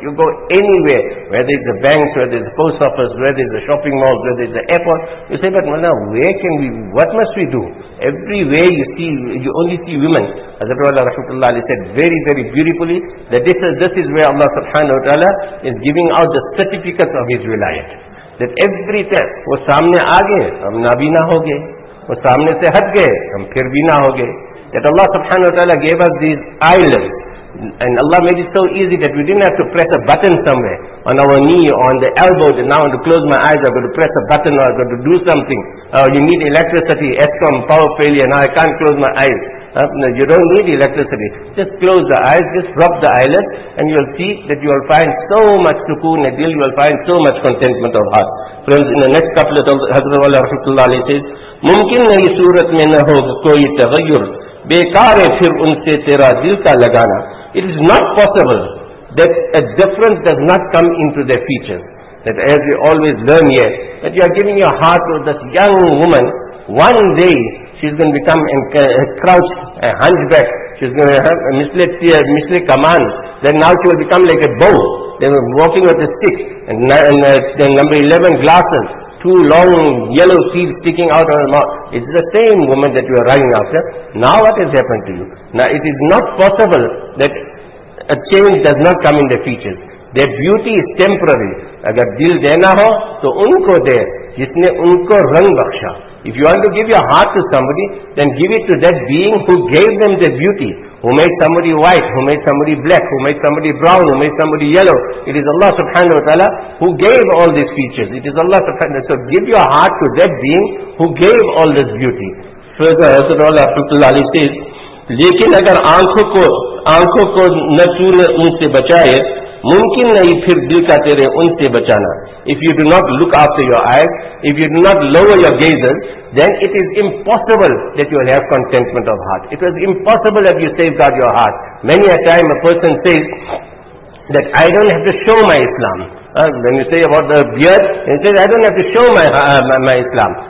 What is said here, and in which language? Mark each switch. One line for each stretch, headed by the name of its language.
English: You go anywhere, whether it's the banks, whether it's the post office, whether it's the shopping malls, whether it's the airport, you say, but Mawlana, what must we do? Everywhere you see, you only see women. Hazrat Wala rahmatullahi alayhi said very, very beautifully that this is where Allah subhanahu wa ta'ala is giving out the certificates of His wilayat. That every time,
Urdu: wo samne aage, hum nabina ho gaye. وہ سامنے سے ہٹ گئے ہم پھر بھی نہ ہو گئے.
English: That Allah subhanahu wa ta'ala gave us these eyelids, and Allah made it so easy that we didn't have to press a button somewhere on our knee or on the elbow, that now I want to close my eyes, I've got to press a button, or I've got to do something. You need electricity, ESCOM, power failure, now I can't close my eyes. You don't need electricity. Just close the eyes, just rub the eyelids, and you will see that you will find so much sukoon adil, you will find so much contentment of heart. Friends, in the next couple of Hazrat Wala rahmatullahi alayhi says,
Urdu: ممکن نہیں صورت میں نہ ہو کوئی تغیر, بیکار ہے پھر ان سے تیرا دل کا لگانا.
English: It is not possible that a difference does not come into their features. That as we always learn here, that you are giving your heart to this young woman, one day she's going to become crouched, a hunchback, she's going to have a misled command, then now she will become like a bow, then walking with a stick, and number 11 glasses, two long yellow seeds sticking out of her mouth. It's the same woman that you are running after. Now what has happened to you? Now it is not possible that a change does not come in the features. Their beauty is temporary.
Urdu: Agar dil dena ho, to unko de, jisne unko rang baksha.
English: If you want to give your heart to somebody, then give it to that being who gave them their beauty, who made somebody white, who made somebody black, who made somebody brown, who made somebody yellow. It is Allah subhanahu wa ta'ala who gave all these features. It is Allah subhanahu wa ta'ala. So give your heart to that being who gave all this beauty. Further, Hazrat Allah Abdullah Ali says,
Urdu: لیکن اگر آنکھوں کو نہ تو نے ان سے بچائے ممکن نہیں پھر دل کا تیرے ان سے بچانا.
English: If you do not look after your eyes, if you do not lower your gazes, then it is impossible that you will have contentment of heart. It is impossible that you safeguard your heart. Many a time a person says that I don't have to show my Islam. When you say about the beard, he says, I don't have to show my Islam.